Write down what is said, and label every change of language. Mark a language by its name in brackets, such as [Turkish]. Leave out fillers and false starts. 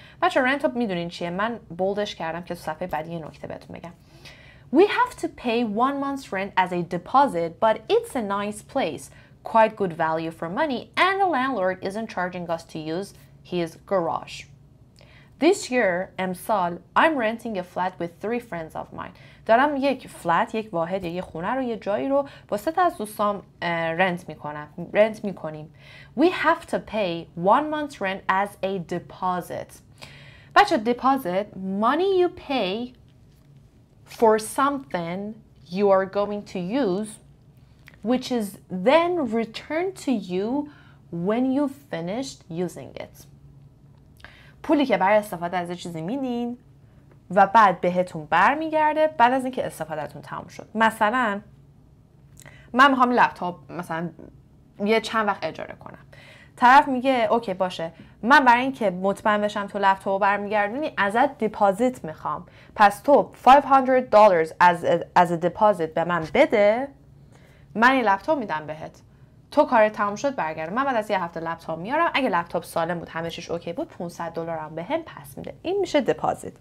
[Persian] بچه رنت اپ میدونین چیه؟ من بولدش کردم که تو صفحه بعدی یه نکته بهتون بگم. [English] We have to pay 1 month's rent as a deposit, but it's a nice place, quite good value for money, and the landlord isn't charging us to use his garage. This year, [Persian] امسال, [English] I'm renting a flat with three friends of mine. [Persian] دارم یک فلات، یک واحد، یک خونه رو، یک جایی رو با سه تا از دوستام رنت میکنیم. [English] We have to pay 1 month's rent as a deposit. بچه deposit, money you pay for something you are going to use, which is then returned to you when you've finished using it. [Persian] پولی که برای استفاده از چیزی میدین و بعد بهتون برمیگرده بعد از اینکه استفادهتون تموم شد. مثلا من میخوام لپتاپ مثلا یه چند وقت اجاره کنم. طرف میگه اوکی باشه، من برای اینکه مطمئن بشم تو لپتاپو برمیگردونی ازت دیپوزیت میخوام، پس تو $500 از دیپوزیت به من بده، من این لپتاپ میدم بهت، تو کار تموم شد برگرد، من بعد از یه هفته لپتاپ میارم، اگه لپتاپ سالم بود همه چیش اوکی بود $500 بهم پس میده. این میشه دیپوزیت.